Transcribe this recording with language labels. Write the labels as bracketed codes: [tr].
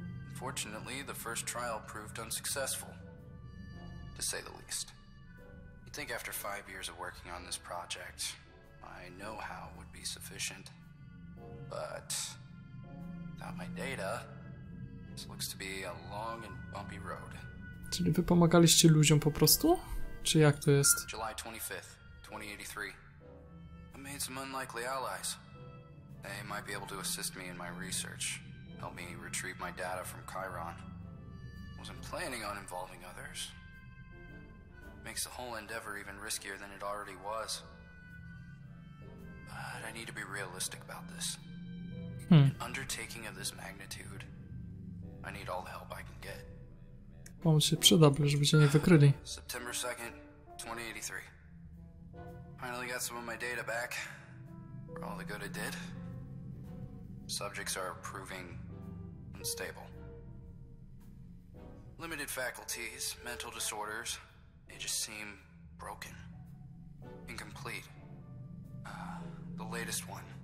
[en] Unfortunately, the first trial proved unsuccessful. To say the least. You'd think after 5 years of working on this project, my know-how would be sufficient. But without my data, this looks to be a long and bumpy road. [pl] Czyli wy pomagaliście ludziom po prostu? Czy jak to jest? [en] July 25th, 2083. I made some unlikely allies. They might be able to assist me in my research, help me retrieve my data from Chiron. I wasn't planning on involving others. Makes the whole endeavor even riskier than it already was. But I need to be realistic about this. An undertaking of this magnitude, I need all the help I can get. [pl] Pan się przydał, żeby cię nie wykryli. [en] September 2nd, 2083. Finally got some of my data back. For all the good it did, subjects are proving unstable. Limited faculties, mental disorders, they just seem broken. Incomplete. The latest one.